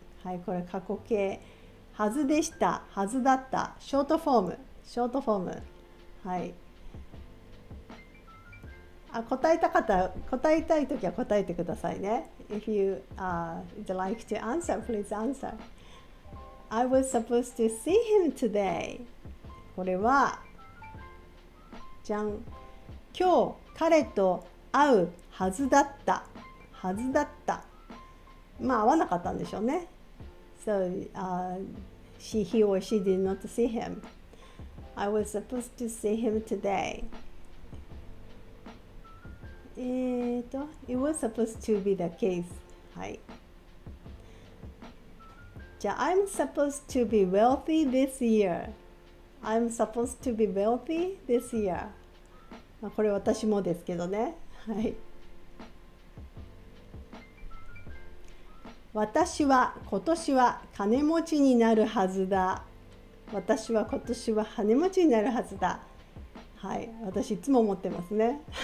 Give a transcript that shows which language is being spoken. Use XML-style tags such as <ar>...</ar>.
<ja>はい、これ過去形はずでした。はずだった。ショートフォーム。ショートフォーム。はい。あ、答えたかった、答えたいときは答えてくださいね。</ja> <en>If you would like to answer, please answer. I was supposed to see him today.</en> <ja>これは、じゃん。今日彼と会うはずだった。はずだった。まあ会わなかったんでしょうね。</ja> <en>So, he or she did not see him. I was supposed to see him today. It was supposed to be the case.</en> <ja>はい。じゃあ、</ja> <en>I'm supposed to be wealthy this year. I'm supposed to be wealthy this year.</en> <ja>まあ、これ私もですけどね。はい。私は今年は金持ちになるはずだ。私は今年は金持ちになるはずだ。はい、私いつも思ってますね。</ja>